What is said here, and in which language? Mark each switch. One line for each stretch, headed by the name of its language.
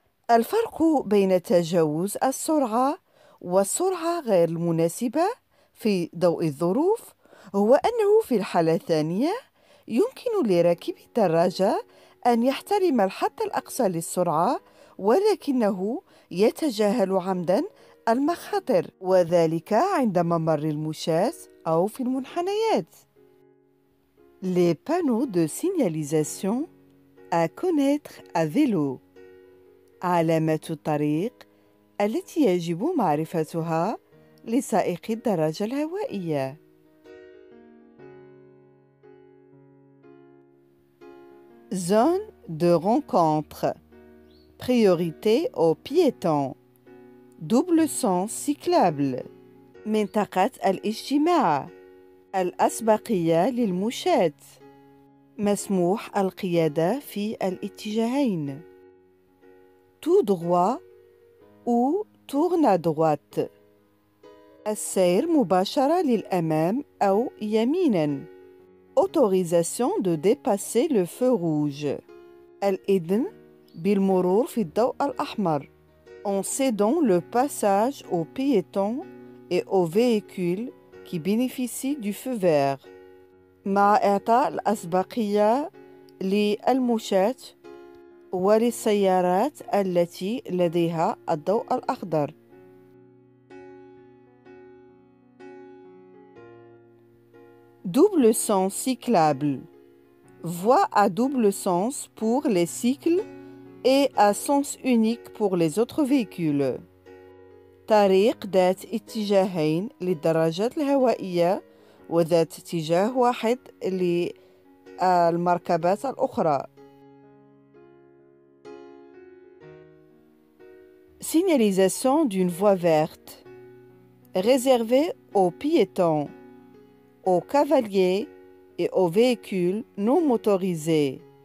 Arabic: الفرق بين تجاوز السرعة والسرعة غير المناسبة في ضوء الظروف هو أنه في الحالة الثانية يمكن لراكب الدراجة أن يحترم الحد الأقصى للسرعة ولكنه يتجاهل عمدا المخاطر وذلك عند ممر المشاة أو في المنحنيات.
French: Les panneaux de signalisation à connaître à vélo.
Arabic: علامات الطريق التي يجب معرفتها لسائقي الدراجة الهوائية.
French: Zone de rencontre. Priorité aux piétons. Double sens cyclable.
Arabic: منطقة الاجتماع. الأسبقية للمشاة. مسموح القيادة في الاتجاهين.
French: Tout droit ou tourne à droite.
Arabic: السير مباشرة للأمام أو يمينا.
French: Autorisation de dépasser le feu rouge.
Arabic: الإذن بالمرور في الضوء الأحمر.
French: En cédant le passage aux piétons et aux véhicules qui bénéficient du feu vert.
Arabic: مع إعطاء الأسبقية للمشاة وللسيارات التي لديها الضوء الأخضر.
French: Double sens cyclable. Voie à double sens pour les cycles et à sens unique pour les autres véhicules.
Arabic: طريق ذات اتجاهين للدراجات الهوائية وذات اتجاه واحد للمركبات الأخرى.
French: Signalisation d'une voie verte. Réservée aux piétons, aux cavaliers et aux véhicules non motorisés.